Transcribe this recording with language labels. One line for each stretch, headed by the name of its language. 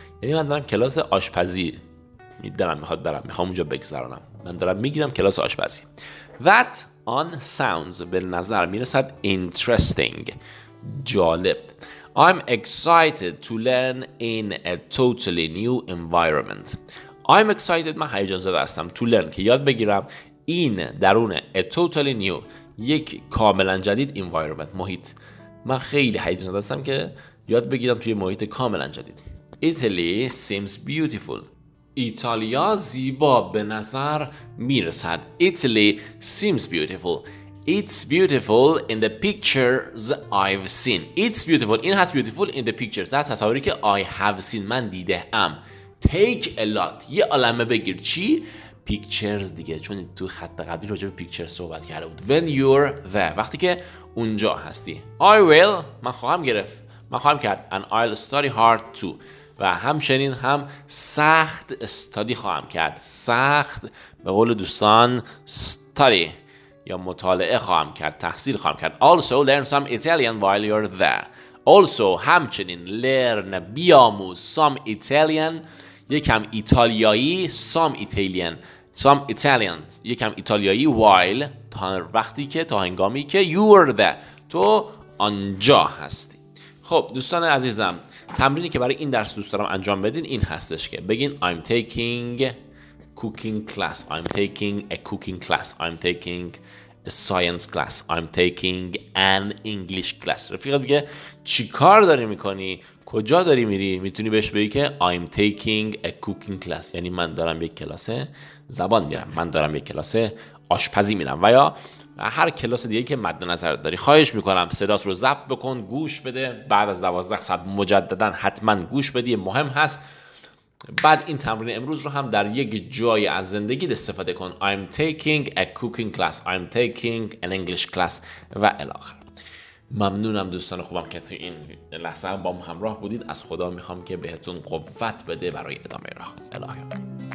Persian: یعنی من دارم کلاس آشپزی میدارم، میخواد برم، میخوام اونجا بگذرانم، من دارم میگیرم کلاس آشپزی.
English: That on sounds
Persian: به نظر میرسد
English: interesting،
Persian: جالب.
English: I'm excited to learn in a totally new environment. I'm excited
Persian: من هیجان زده هستم
English: to learn
Persian: که یاد بگیرم این درون
English: a totally new
Persian: یک کاملا جدید environment محیط. من خیلی هیجان زده هستم که یاد بگیرم توی محیط کاملا جدید.
English: Italy seems beautiful.
Persian: ایتالیا زیبا به نظر میرسد.
English: Italy seems beautiful. It's beautiful in the pictures I've seen. It's beautiful.
Persian: این هست
English: beautiful in the pictures.
Persian: در تصاویری که
English: I have seen
Persian: من دیده ام.
English: Take a lot.
Persian: یه عالمه بگیر. چی؟ pictures دیگه. چون تو خط قبلی راجع به pictures صحبت کرده بود.
English: When you're there.
Persian: وقتی که اونجا هستی.
English: I will
Persian: من خواهم گرفت، من خواهم کرد.
English: And I'll study hard too
Persian: و همچنین هم سخت study خواهم کرد. سخت به قول دوستان study یا مطالعه خواهم کرد، تحصیل خواهم کرد.
English: Also learn some Italian while you're there. Also
Persian: همچنین
English: learn
Persian: بیاموز
English: some Italian،
Persian: یکم ایتالیایی، some Italian یکم ایتالیایی
English: while،
Persian: تا وقتی که، تا هنگامی که
English: you're there،
Persian: تو آنجا هستی. خب دوستان عزیزم، تمرینی که برای این درس دوست دارم انجام بدین این هستش که بگین
English: I'm taking cooking class. I'm taking a cooking class. I'm taking a science class. I'm taking an English class.
Persian: رفیقت بگه چی کار داری میکنی؟ کجا داری میری؟ میتونی بهش بگی که
English: I'm taking a cooking class.
Persian: یعنی من دارم یک کلاس زبان میرم. من دارم یک کلاس آشپزی میرم. و یا هر کلاس دیگه که مد نظر داری. خواهش میکنم صدات رو ضبط بکن، گوش بده. بعد از 12 ساعت مجددن حتما گوش بدی. مهم هست. بعد این تمرین امروز رو هم در یک جای از زندگی استفاده کن.
English: I'm taking a cooking class. I'm taking an English class.
Persian: و الاخر. ممنونم دوستان خوبم که تو این لحظه با هم همراه بودید. از خدا میخوام که بهتون قوت بده برای ادامه راه. الهی آمین.